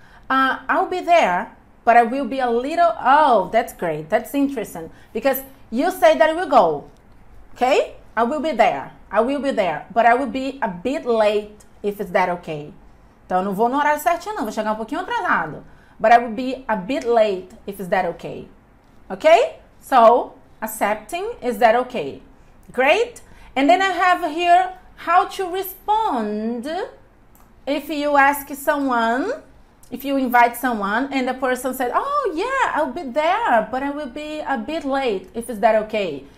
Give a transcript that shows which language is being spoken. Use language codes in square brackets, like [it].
[en] I'll be there, but I will be a little... Oh, that's great. That's interesting. Because you say that I will go. Okay? I will be there. I will be there. But I will be a bit late, if it's that okay. [pt] Então, eu não vou no horário certinho, não. Vou chegar um pouquinho atrasado. [en] But I will be a bit late, if it's that okay. Okay, so accepting, is that okay? Great. And then I have here how to respond if you ask someone, if you invite someone and the person said, oh yeah, I'll be there, but I will be a bit late, if is that okay?